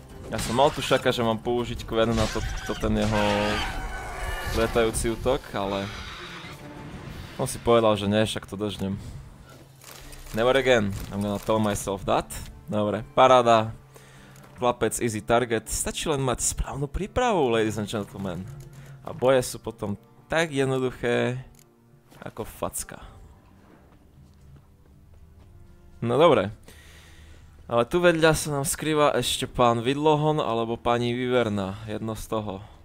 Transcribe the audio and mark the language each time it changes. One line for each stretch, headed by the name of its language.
Slovak: Ja som mal tu šaka, že mám použiť Quen na to ten jeho lietajúci útok, ale on si povedal, že nie, však to dožnem.
English: Never again, I'm gonna tell myself that.
Slovak: Dobre, paráda. Chlapec,
English: easy target.
Slovak: Stačí len mať správnu prípravu,
English: ladies and gentlemen.
Slovak: A boje sú potom tak jednoduché, ako facka. No dobre. Ale tu vedľa sa nám skrýva ešte pán Vidlohon alebo pani Viverna, jedno z toho.